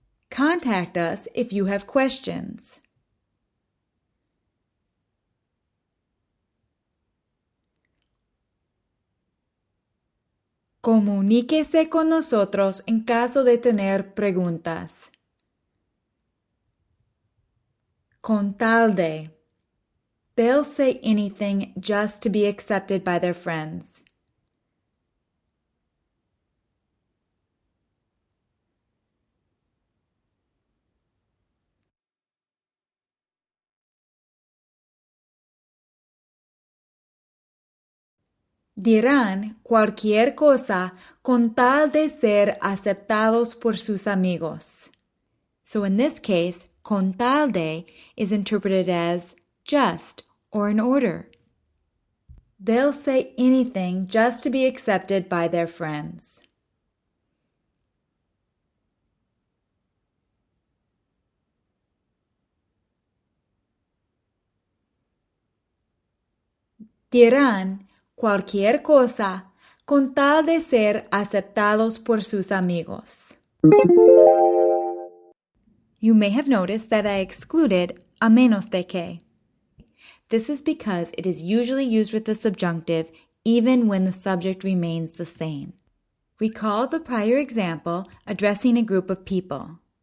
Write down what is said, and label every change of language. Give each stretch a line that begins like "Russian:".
English: Contact us if you have questions.
Spanish: Comuníquese con nosotros en caso de tener preguntas. Con tal de.
English: They'll say anything just to be accepted by their friends.
Spanish: Dirán cualquier cosa con tal de ser aceptados por sus amigos.
English: So in this case, con tal de is interpreted as just or in order. They'll say anything just to be accepted by their friends.
Spanish: Dirán cualquier cosa con tal de ser aceptados por sus amigos.
English: You may have noticed that I excluded a menos de que. This is because it is usually used with the subjunctive even when the subject remains the same. Recall the prior example addressing a group of people.